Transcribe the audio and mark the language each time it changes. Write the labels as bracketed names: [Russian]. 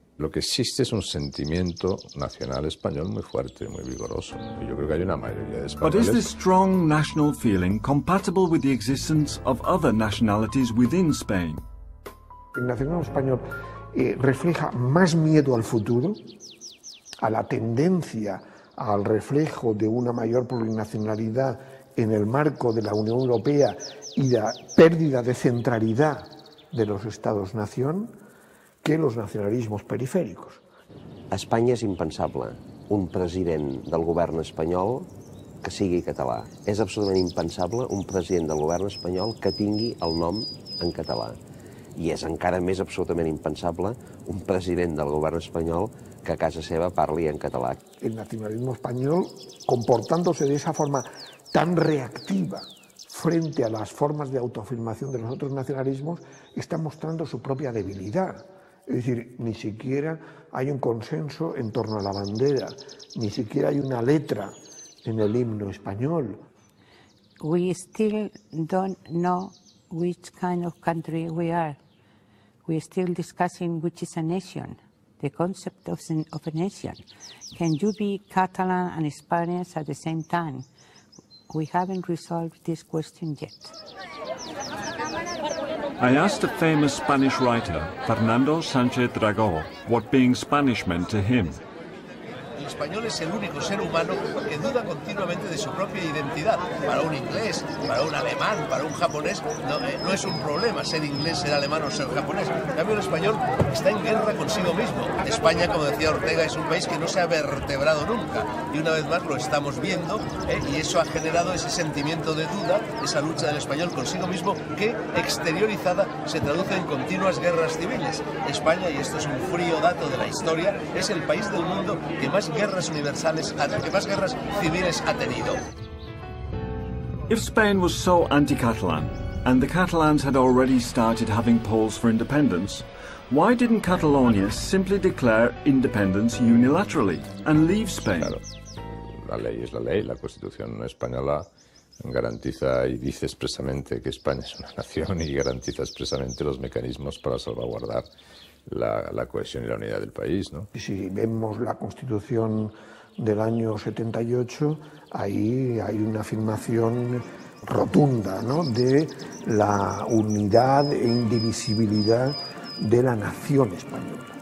[Spanish] Lo que existe es un sentimiento nacional español muy fuerte, muy vigoroso. Y yo creo que hay una mayoría de españoles. [English] But is this strong national feeling compatible with the existence of other nationalities within Spain? [Spanish] El nacionalismo español refleja más miedo al futuro, a la tendencia al reflejo de una mayor plurinacionalidad en el marco de la Unión Europea y la pérdida de centralidad de los Estados-nación que los nacionalismos periféricos. [Catalan] A Espanya és impensable un president del govern espanyol que sigui català. És absolutament impensable un president del govern espanyol que tingui el nom en català. I és encara més absolutament impensable un president del govern espanyol que a casa seva parli en català. [Spanish] El nacionalismo español, comportándose de esa forma tan reactiva frente a las formas de autoafirmación de los otros nacionalismos, está mostrando su propia debilidad. Es decir, ni siquiera hay un consenso en torno a la bandera, ni siquiera hay una letra en el himno español. [English] We still don't know which kind of country we are. We are still discussing which is a nation. The concept of a nation. Can you be Catalan and Spanish at the same time? We haven't resolved this question yet. I asked a famous Spanish writer, Fernando Sánchez Dragó, what being Spanish meant to him. [Spanish] El español es el único ser humano que duda continuamente de su propia identidad. Para un inglés, para un alemán, para un japonés, no es un problema ser inglés, ser alemán o ser japonés. En cambio, el español está en guerra consigo mismo. España, como decía Ortega, es un país que no se ha vertebrado nunca. Y una vez más lo estamos viendo, y eso ha generado ese sentimiento de duda, esa lucha del español consigo mismo, que exteriorizada se traduce en continuas guerras civiles. España, y esto es un frío dato de la historia, es el país del mundo que más guerras universales, que más guerras civiles ha tenido. [English] If Spain was so anti-Catalan, and the Catalans had already started having polls for independence, why didn't Catalonia simply declare independence unilaterally and leave Spain? [Spanish] Claro. La ley es la ley, la Constitución española garantiza y dice expresamente que España es una nación y garantiza expresamente los mecanismos para salvaguardar la cohesión y la unidad del país, ¿no? Si vemos la Constitución del año 78, ahí hay una afirmación rotunda, ¿no?, de la unidad e indivisibilidad de la nación española.